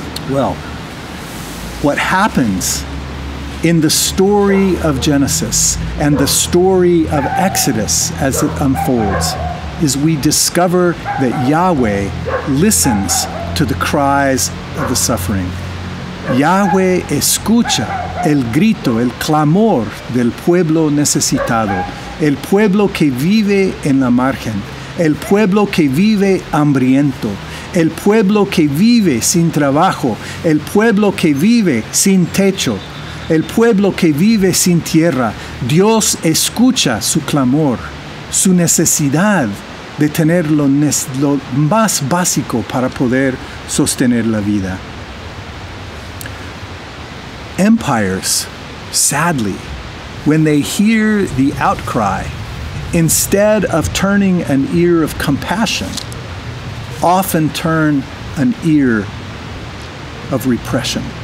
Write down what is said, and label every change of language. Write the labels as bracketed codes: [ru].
[en] Well, what happens in the story of Genesis and the story of Exodus as it unfolds is we discover that Yahweh listens to the cries of the suffering. [es] Yahweh escucha el grito, el clamor del pueblo necesitado, el pueblo que vive en la margen, el pueblo que vive hambriento, el pueblo que vive sin trabajo, el pueblo que vive sin techo, el pueblo que vive sin tierra. Dios escucha su clamor, su necesidad de tener lo más básico para poder sostener la vida. [en] Empires, sadly, when they hear the outcry, instead of turning an ear of compassion, often turn an ear of repression.